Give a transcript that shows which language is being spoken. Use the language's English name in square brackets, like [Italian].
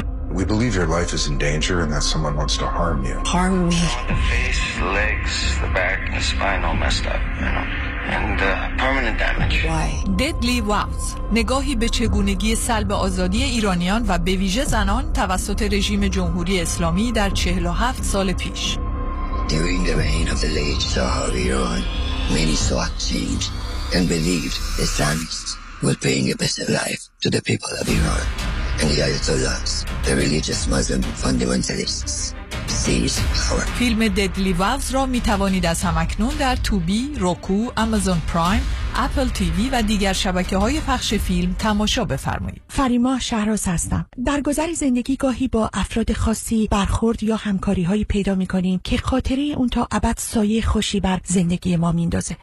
[English] We believe your life is in danger and that someone wants to harm you. Harm me? The face, the legs, the back, the spine all messed up, you know. And permanent damage. Why? Deadly Wounds. [Persian] نگاهی به چگونگی سلب آزادی ایرانیان و به ویژه زنان توسط رژیم جمهوری اسلامی در 47 سال پیش. [English] During the reign of the late Shah Iran, many thought seemed and believed Islamists were bringing a better life to the people of Iran. And the Ayatollahs, the religious Muslim fundamentalists, seized power. [Persian] فیلم Deadly Vows را می توانید از هم اکنون در توبی، روکو، آمازون پرایم، اپل تیوی و دیگر شبکه های پخش فیلم تماشا بفرمایید. فریما شهراز هستم. در گذر زندگی گاهی با افراد خاصی برخورد یا همکاری هایی پیدا می کنیم که خاطره اون تا ابد سایه خوشی بر زندگی ما میندازه.